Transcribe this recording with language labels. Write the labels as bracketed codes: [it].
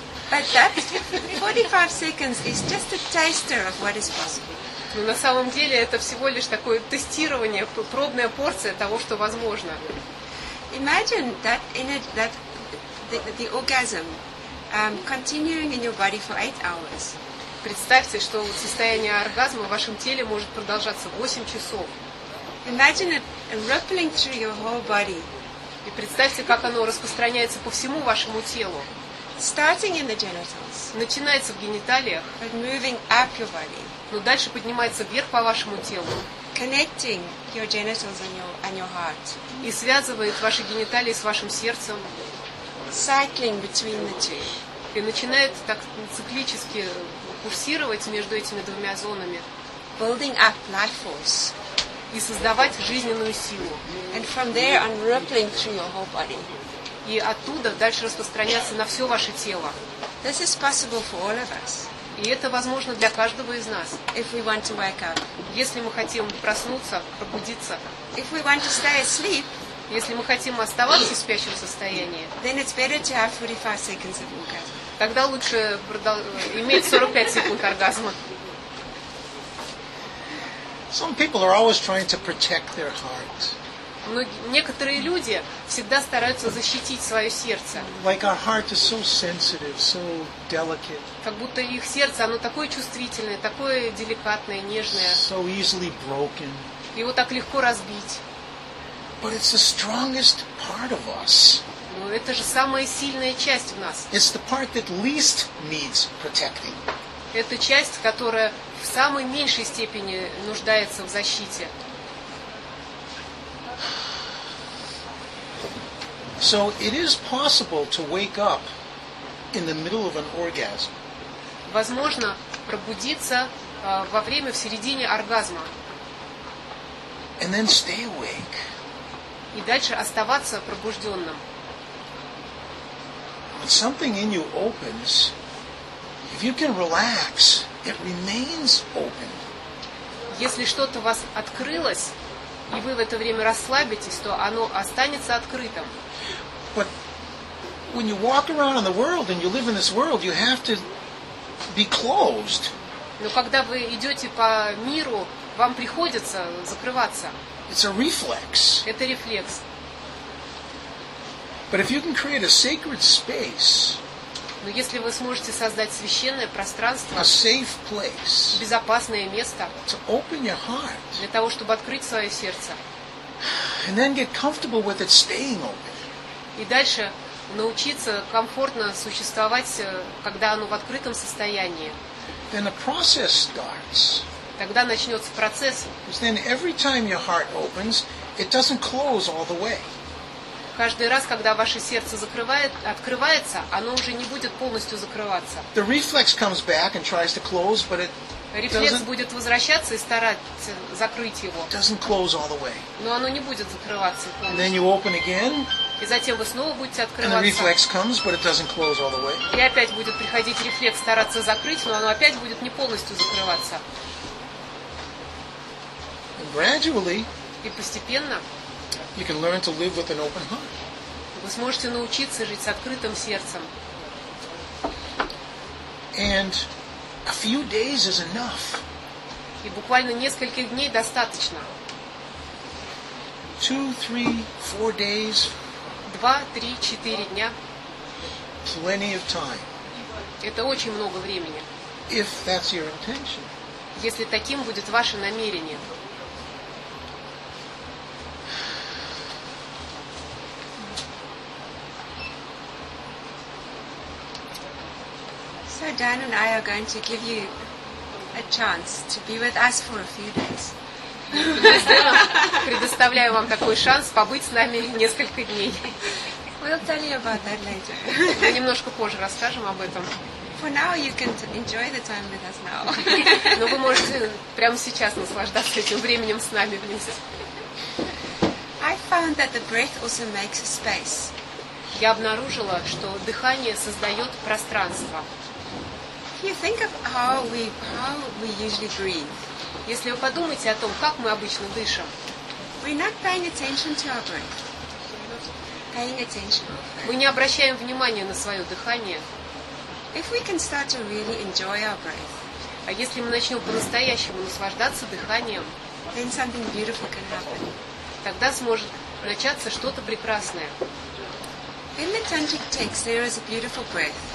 [en] But that 45 seconds is just a taster of what is possible. [ru] Но на самом деле это всего лишь такое тестирование, пробная порция того, что возможно. [en] Imagine that energy, that the orgasm continuing in your body for 8 hours. [ru] Представьте, что состояние оргазма в вашем теле может продолжаться 8 часов. [en] Imagine it rippling through your whole body. [ru] И представьте, как оно распространяется по всему вашему телу. [en] Starting in the genitals. [ru] Начинается в гениталиях. [en] But moving up your body. [ru] Но дальше поднимается вверх по вашему телу. [en] Connecting your genitals and your heart. [ru] И связывает ваши гениталии с вашим сердцем. [en] Cycling between the two. [ru] И начинает так циклически курсировать между этими двумя зонами. [en] Building up life force. [ru] И создавать жизненную силу. [en] And from there on rippling through your whole body. [ru] И оттуда дальше распространяться на все ваше тело. [en] This is possible for all of us. [ru] И это возможно для каждого из нас. [en] If we want to wake up. [ru] Если мы хотим проснуться, пробудиться. [en] If we want to stay asleep. [ru] Если мы хотим оставаться в спящем состоянии. [en] Then it's better to have 45 seconds of orgasm. [ru] Тогда лучше иметь 45 секунд оргазма. [en] Some people are always trying to protect their heart. [ru] Некоторые люди всегда стараются защитить свое сердце. [en] Like our heart is so sensitive, so delicate. [ru] Как будто их сердце, оно такое чувствительное, такое деликатное, нежное. [en] So easily broken. [ru] Его так легко разбить. [en] But it's the strongest part of us. [ru] Но это же самая сильная часть в нас. [en] It's the part that least needs protecting. [ru] Это часть, которая в самой меньшей степени нуждается в защите. [en] So it is possible to wake up in the middle of an orgasm. [ru] Возможно пробудиться во время, в середине оргазма. [en] And then stay awake. [ru] И дальше оставаться пробужденным. [en] When something in you opens, if you can relax, it remains open. [ru] Если что-то у вас открылось, и вы в это время расслабитесь, то оно останется открытым. [en] But when you walk around in the world and you live in this world, you have to be closed. [ru] Но когда вы идете по миру, вам приходится закрываться. [en] It's a reflex. [ru] Это рефлекс. [en] But if you can create a sacred space, [ru] но если вы сможете создать священное пространство, [en] a safe place, [ru] безопасное место, [en] to open your heart, [ru] для того, чтобы открыть свое сердце, [en] and then get comfortable with it staying open, [ru] и дальше научиться комфортно существовать, когда оно в открытом состоянии, [en] then a process starts. [ru] Тогда начнется процесс. [en] Then every time your heart opens, it doesn't close all the way. [ru] Каждый раз, когда ваше сердце закрывает, открывается, оно уже не будет полностью закрываться. [en] The reflex comes back and tries to close, but it [ru] рефлекс будет возвращаться и стараться закрыть его. [en] Doesn't close all the way. [ru] Но оно не будет закрываться полностью. [en] And then you open again. [ru] И затем вы снова будете открываться. [en] And the reflex comes, but it doesn't close all the way. [ru] И опять будет приходить рефлекс стараться закрыть, но оно опять будет не полностью закрываться. [en] And gradually, [ru] и постепенно [en] you can learn to live with an open heart. [ru] Вы сможете научиться жить с открытым сердцем. [en] And a few days is enough. [ru] И буквально нескольких дней достаточно. [en] 2-3-4 days. [ru] 2-3-4 дня. [en] Plenty of time. [ru] Это очень много времени. [en] If that's your intention. [ru] Если таким будет ваше намерение. [en] So Dan and I are going to give you a chance to be with us for a few days. [ru] Предоставляю вам такой шанс побыть с нами несколько дней. [en] We'll tell you about that later. [ru] Мы немножко позже расскажем об этом. [en] For now you can enjoy the time with us now. [ru] Но вы можете прямо сейчас наслаждаться этим временем с нами вместе. [en] I found that the breath also makes a space. [ru] Я обнаружила, что дыхание создает пространство. [en] You think of how we usually breathe. [ru] Если вы подумаете о том, как мы обычно дышим. [en] We're not paying attention to our breath. Paying attention. [ru] Мы не обращаем внимания на свое дыхание. [en] If we can start to really enjoy our breath. [ru] А если мы начнем по-настоящему наслаждаться дыханием, [en] then something beautiful can happen. [ru] Тогда сможет начаться что-то прекрасное. [en] In the tantric text there is a beautiful breath.